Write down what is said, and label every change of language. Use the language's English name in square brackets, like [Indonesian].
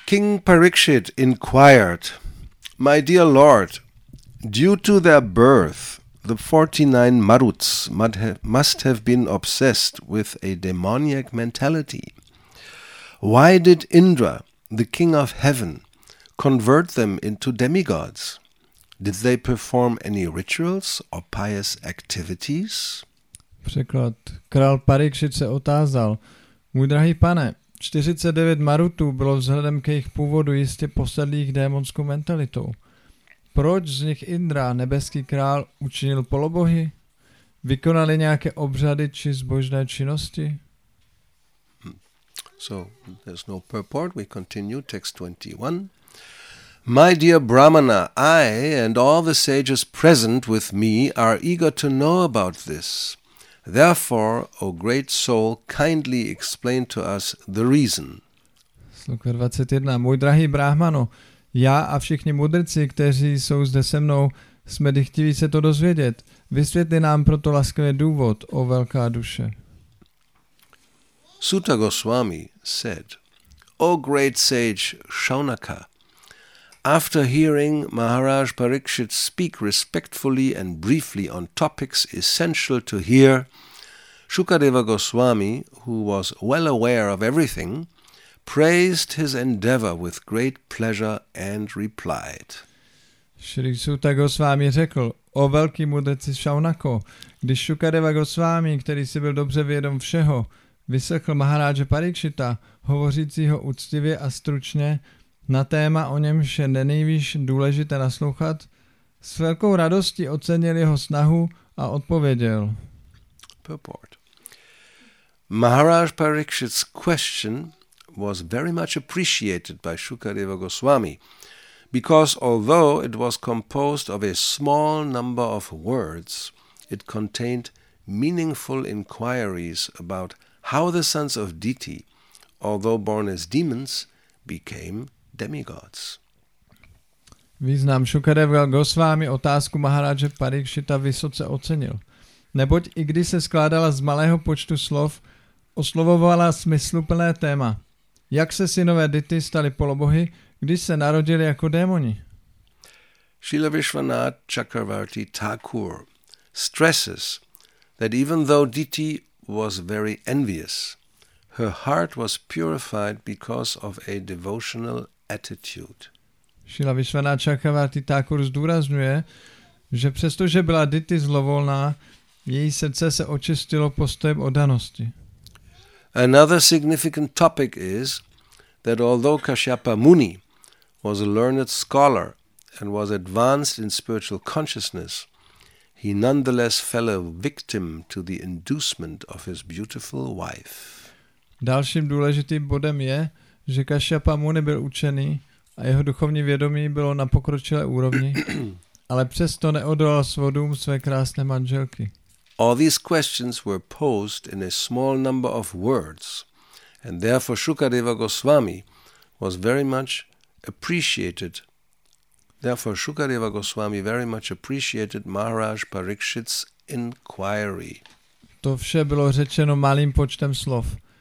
[English] King Parikshit inquired, my dear Lord, due to their birth, the 49 Maruts must have been obsessed with a demoniac mentality. Why did Indra, the king of heaven, convert them into demigods? Did they perform any rituals or pious activities? [Czech] Překlad. Král Parikšit se otázal. Můj drahý pane, 49 Marutů bylo vzhledem k jejich původu jistě posedlých démonskou mentalitou. Proč z nich Indra, nebeský král, učinil polobohy? Vykonali nějaké obřady či zbožné činnosti? [English] So, there's no purport. We continue. Text 21. My dear Brahmana, I and all the sages present with me are eager to know about this. Therefore, O great soul, kindly explain to us the reason. [Czech] Sloka 21. Můj drahý Brahmano, já a všichni mudrci, kteří jsou zde se mnou, jsme dychtiví se to dozvědět. Vysvětli nám proto laskavý důvod, o velká duše. [English] Suta Goswami said, O great sage Shaunaka, after hearing Maharaj Parikshit speak respectfully and briefly on topics essential to hear, Shukadeva Goswami, who was well aware of everything, praised his endeavor with great pleasure and replied. [Czech] Shri Suta Goswami řekl, o velký mudrci Shaunako, když Shukadeva Goswami, který si byl dobře vědom všeho, vyslechl Maharaja Parikšita, hovořícího úctivě a stručně, na téma, o němž je nejvíc důležité naslouchat, s velkou radostí ocenil jeho snahu a odpověděl. [English] Purport. Maharaj Parikshit's question was very much appreciated by Shukadeva Goswami, because although it was composed of a small number of words, it contained meaningful inquiries about how the sons of Diti, although born as demons, became demigods. [Czech] Význam Shukadeva Goswami otázku Maharaje Parikšita vysoce ocenil. Neboť i když se skládala z malého počtu slov, oslovovala smysluplné téma. Jak se synové Diti stali polobohy, když se narodili jako démoni? [English] Srila Vishwanath Chakravarti Thakur stresses that even though Diti was very envious, her heart was purified because of a devotional attitude. [Czech] Srila Vishwanath Chakravarti Thakur zdůrazňuje, že přestože byla Diti zlovolná, její srdce se očistilo postojem oddanosti. [English] Another significant topic is that although Kashyapa Muni was a learned scholar and was advanced in spiritual consciousness, he nonetheless fell a victim to the inducement of his beautiful wife. [Czech] Dalším důležitým bodem je, že Kašjapa Muni byl učený a jeho duchovní vědomí bylo na pokročilé úrovni, ale přesto neodolal svodům své krásné manželky. [English] All these questions were posed in a small number of words, and therefore Shukadeva Goswami was very much appreciated. Therefore Shukadeva Goswami very much appreciated Maharaj Parikshit's inquiry. [Czech] To vše bylo řečeno malým počtem slov.